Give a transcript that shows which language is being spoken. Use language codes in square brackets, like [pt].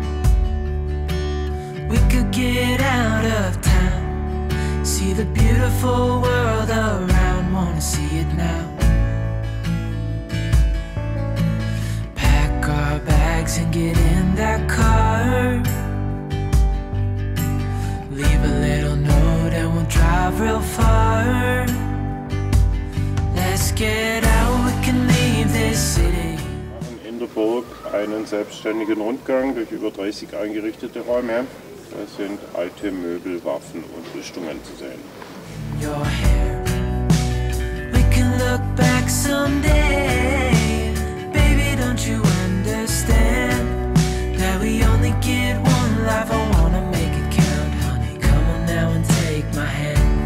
[en] Darling, we could get out of town, see the beautiful world around, wanna see it now, pack our bags and get in that car, leave a little note and we'll drive real far, let's get out, we can leave this city. [de] Der Burg einen selbstständigen Rundgang durch über 30 eingerichtete Räume. Da sind alte Möbel, Waffen und Rüstungen zu sehen. [en] Your hair. We can look back someday. Baby, don't you understand that we only get one life? I wanna make it count, honey. Come on now and take my hand.